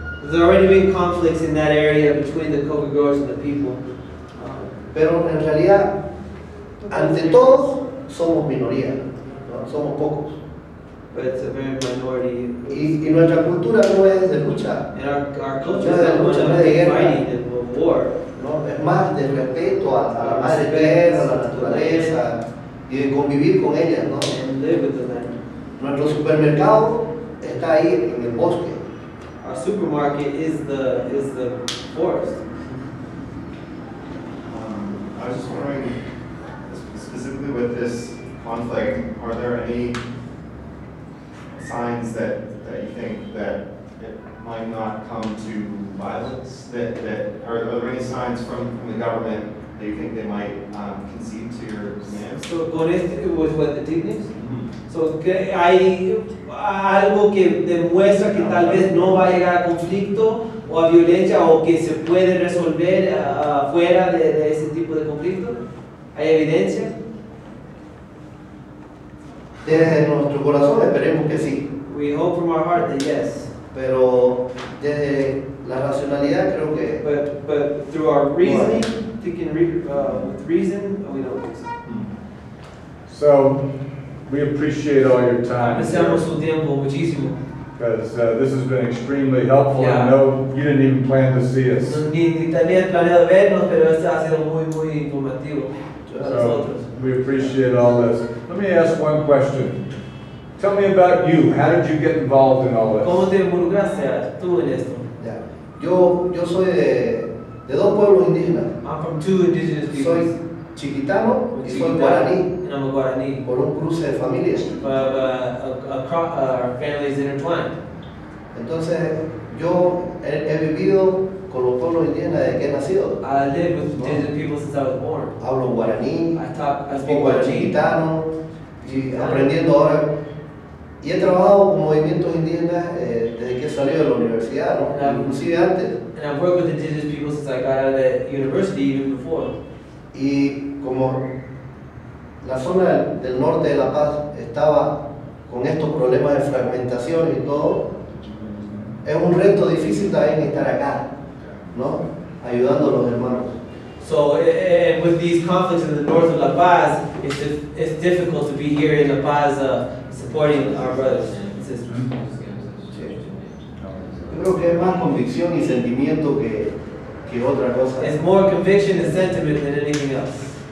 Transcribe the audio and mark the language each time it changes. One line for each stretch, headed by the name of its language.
English: There have already been conflicts in that area between the coca growers and the people. Wow.
Spanish: Pero en realidad, ante todos, somos minoría. Somos pocos.
English: But it's a very minority.
Spanish: Y nuestra cultura no es de lucha.
English: And our culture is not lucha, one of the fighting of war.
Spanish: No, es más de respeto a la madre tierra, a la naturaleza, y de convivir con ella, ¿no?
English: And live with the land.
Spanish: Nuestro supermercado está ahí en el bosque.
English: Our supermarket is the forest. I was just wondering, specifically with this conflict, are there any signs that you think that it might not come to violence? That are there any signs from the government that you think they might concede to your demands? So
Spanish: con esto
English: was what the team is.
Spanish: So que hay algo que demuestra que tal vez no va a llegar a conflicto o a violencia o que se puede resolver fuera de ese tipo de conflicto. Hay evidencia. Desde nuestro corazón esperemos que sí.
English: We hope from our heart that yes.
Spanish: Pero desde la racionalidad creo que.
English: But through our reasoning, thinking with reason, we don't think so. So we appreciate all your time.
Spanish: Apreciamos su tiempo muchísimo.
English: Because this has been extremely helpful. Yeah. I know you didn't even plan to see us.
Spanish: Ni tenía planeado vernos, pero esto ha sido muy muy informativo para nosotros.
English: We appreciate all this. Let me ask one question. Tell me about you. How did you get involved in all this?
Spanish: ¿Cómo te involucraste tú en esto? Yo soy de dos pueblos indígenas.
English: I'm from two indigenous people.
Spanish: Soy chiquitano y soy guaraní.
English: And I'm a guaraní.
Spanish: Por un cruce de familias.
English: Our families intertwined.
Spanish: Entonces, yo he vivido con los pueblos indígenas de que he nacido.
English: I live with indigenous people since I was born.
Spanish: Hablo guaraní.
English: I speak
Spanish: guaraní. Chiquitano. Y aprendiendo ahora. Y he trabajado con movimientos indígenas desde que salí de la universidad, ¿no? Inclusive antes.
English: And I've worked with indigenous people since I got out of the university even before.
Spanish: Y como la zona del norte de La Paz estaba con estos problemas de fragmentación y todo, es un reto difícil también estar acá, ¿no? Ayudando a los hermanos.
English: So, with these conflicts in the north of La Paz, it's difficult to be here in La Paz supporting our brothers and sisters.
Spanish: Sí. Creo que es más convicción y sentimiento que otra cosa.
English: It's more conviction and sentiment than anything else.